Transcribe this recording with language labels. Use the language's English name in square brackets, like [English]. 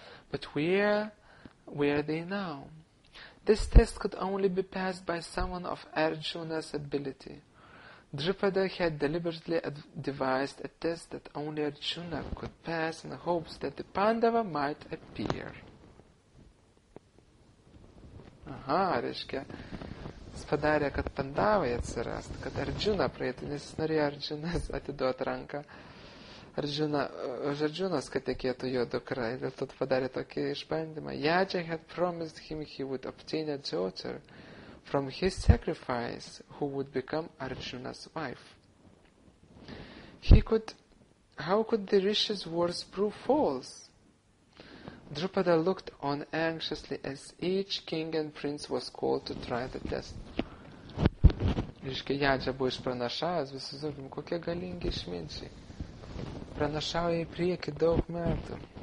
[English] But where were they now? This test could only be passed by someone of Arjuna's ability. Drupada had deliberately devised a test that only Arjuna could pass in hopes that the Pandava might appear. [Lithuanian] Aha, reiškia, jis padarė, kad pandavai atsirastų, kad Ardžiuna praeitų, nes jis norėjo Ardžiunas atiduot ranką. Ardžiunas, kad tekėtų jo dukra, ir dėl to padarė tokį išbandymą. [English] Yaja had promised him he would obtain a daughter from his sacrifice who would become Arjuna's wife. How could the rishi's words prove false? Drupada looked on anxiously as each king and prince was called to try the test. [Lithuanian] Reiškia, Yaja buvo išpranašavęs, visi sakė, kokie galingi išminčiai. Pranašavo į priekį daug metų.